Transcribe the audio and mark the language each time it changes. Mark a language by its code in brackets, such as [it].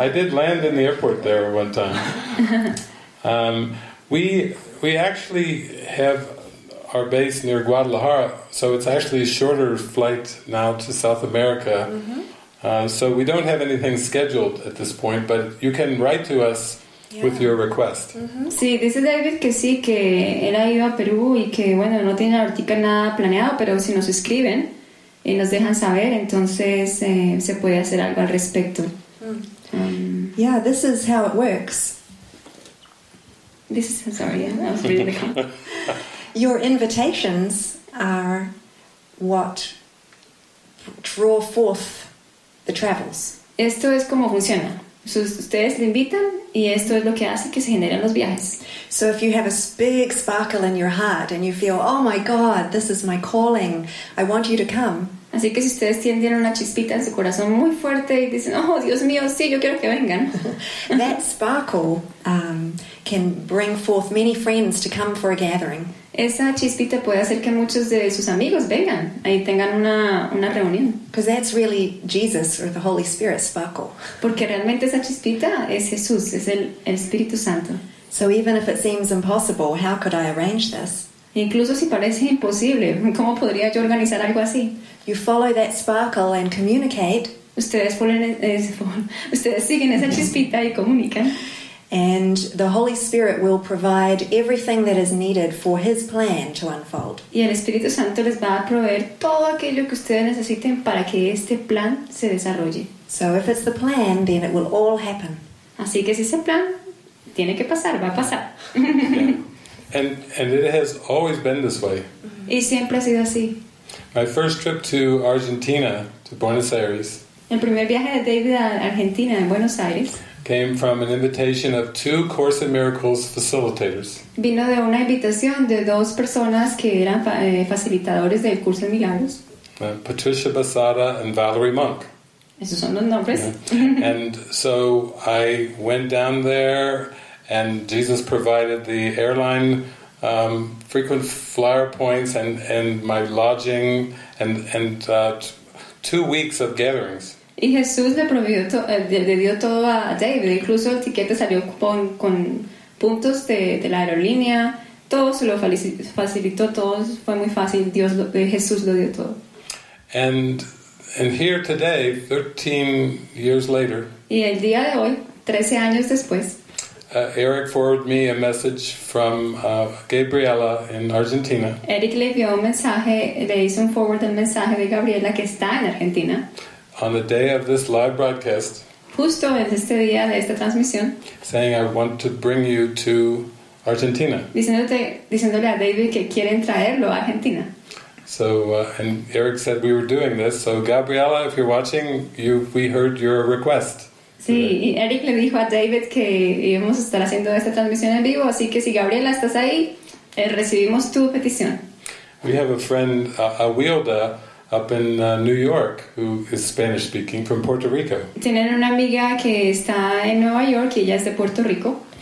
[en] I did land in the airport there one time. We actually have our base near Guadalajara, so it's actually a shorter flight now to South America. Mm-hmm. So we don't have anything scheduled at this point, but you can write to us with your request. Mm-hmm. [es] Sí, dice David que sí, que él ha ido a Perú y que, bueno, no tiene ahorita nada planeado, pero si nos escriben y nos dejan saber, entonces se puede hacer algo al respecto. Mm. [en] Yeah, this is how it works. This is, sorry, yeah, I was reading the comment. Your invitations are what draw forth the travels. [es] Esto es como funciona. Ustedes le invitan y esto es lo que hace que se generen los viajes. [en] So if you have a big sparkle in your heart and you feel, oh my God, this is my calling, I want you to come. [es] Así que si ustedes tienen una chispita en su corazón muy fuerte y dicen, oh, Dios mío, sí, yo quiero que vengan. [en] That sparkle can bring forth many friends to come for a gathering. [es] Esa chispita puede hacer que muchos de sus amigos vengan y tengan una reunión. [en] Because that's really Jesus or the Holy Spirit sparkle. [es] Porque realmente esa chispita es Jesús, es el Espíritu Santo. [en] So even if it seems impossible, how could I arrange this? [es] Incluso si parece imposible, ¿cómo podría yo organizar algo así? [en] You follow that sparkle and communicate. [es] Ustedes siguen esa chispita y comunican. [en] And the Holy Spirit will provide everything that is needed for His plan to unfold. [es] Y el Espíritu Santo les va a proveer todo aquello que ustedes necesiten para que este plan se desarrolle. [en] So if it's the plan, then it will all happen. [es] Así que si es el plan, tiene que pasar, va a pasar. [en] And it has always been this way. [es] Y siempre ha sido así. [en] My first trip to Argentina, to Buenos Aires. [es] El primer viaje de David a Argentina, en Buenos Aires. [en] Came from an invitation of two Course in Miracles facilitators. [es] Vino de una invitación de dos personas que eran facilitadores del curso en milagros. [en] Patricia Basada and Valerie Monk. [es] Esos son los nombres. [en] Yeah. And so I went down there, and Jesus provided the airline frequent flyer points and my lodging and 2 weeks of gatherings. [es] Y Jesús le dio todo a David, incluso el tiquete salió con puntos de la aerolínea, todo se lo facilitó, todo fue muy fácil, Jesús lo dio todo. [en] And here today, 13 years later, [es] y el día de hoy, 13 años después, [en] Eric forwarded me a message from Gabriela in Argentina. [es] Eric le envió un mensaje, le hizo un forward el mensaje de Gabriela que está en Argentina. [en] On the day of this live broadcast, [es] justo en este día de esta transmisión, [en] saying I want to bring you to Argentina, [es] diciéndole a David que quieren traerlo a Argentina. [en] So and Eric said we were doing this. So Gabriela, if you're watching, we heard your request. [es] Sí, y Eric le dijo a David que íbamos a estar haciendo esta transmisión en vivo, así que si Gabriela estás ahí, recibimos tu petición. [en] We have a friend, Awilda, up in New York, who is Spanish-speaking from Puerto Rico. [es] Tienen una amiga que está en Nueva York y ella es de Puerto Rico.